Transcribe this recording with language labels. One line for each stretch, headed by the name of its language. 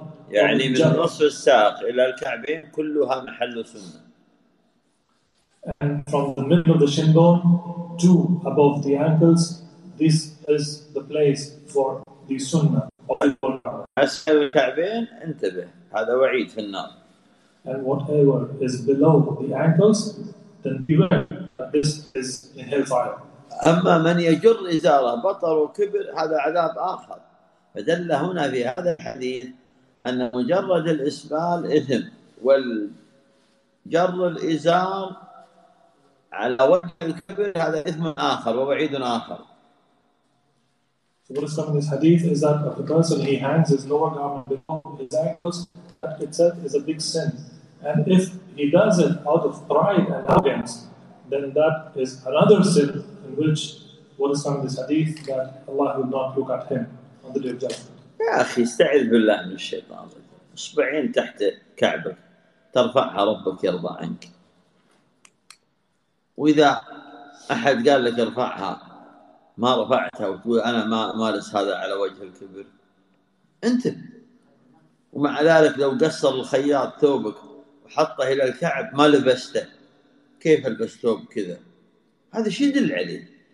Arabic: يعني من نصف الساق إلى الكعبين كلها محل سنة.
English: And from the middle of the shin bone to above the ankles, this is the place for the sunnah.
Arabic: أسفل الكعبين انتبه هذا وعيد في النار.
English: And whatever is below the ankles, then beware that this is in hellfire.
Arabic: أما من يجر إزارة بطر وكبر هذا عذاب آخر. فدل هنا في هذا الحديث أن مجرد الإسبال إثم والجر الإزار على وجه الكبر هذا إثم آخر ووعيد آخر.
English: So what is coming in this hadith is that if a person he hangs his lower garment below his ankles, that itself is a big sin. And if he does it out of pride and arrogance, then that is another sin in which what is coming in this hadith that Allah will not look at him.
Arabic: يا أخي استعذ بالله من الشيطان أصبعين تحت كعبك ترفعها ربك يرضى عنك وإذا أحد قال لك ارفعها ما رفعتها وتقول أنا ما مارس هذا على وجه الكبر أنت ومع ذلك لو قصر الخياط ثوبك وحطه إلى الكعب ما لبسته كيف ألبس ثوب كذا هذا شيء يدل عليه